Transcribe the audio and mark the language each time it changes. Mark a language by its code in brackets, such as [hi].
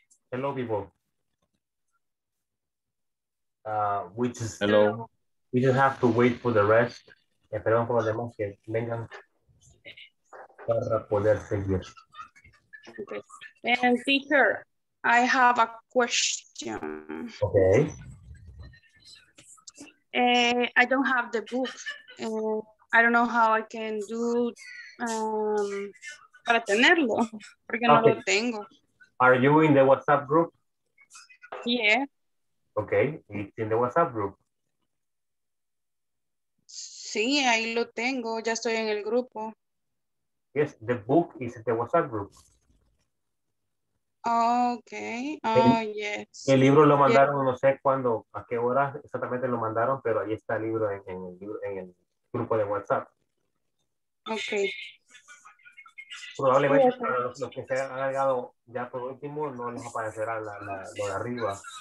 [en] Hello, people. We just have to wait for the rest. [es] Esperamos por los demás que vengan para poder seguir. [en] And teacher, I have a question. Okay. I don't have the book. I don't know how I can do [es] para tenerlo, porque [en] okay. [es] No lo tengo. [en] Are you in the WhatsApp group? Yeah. Okay, it's in the WhatsApp group. [es] Sí, ahí lo tengo, ya estoy en el grupo. [en] Yes, the book is in the WhatsApp group. Okay, oh, yes. [es] El libro lo mandaron, [en] yeah. [es] No sé cuándo, a qué hora exactamente lo mandaron, pero ahí está el libro en el grupo de WhatsApp. [en] Okay. [es] probablemente sí, para los que se han agregado ya por último no les aparecerá lo de arriba.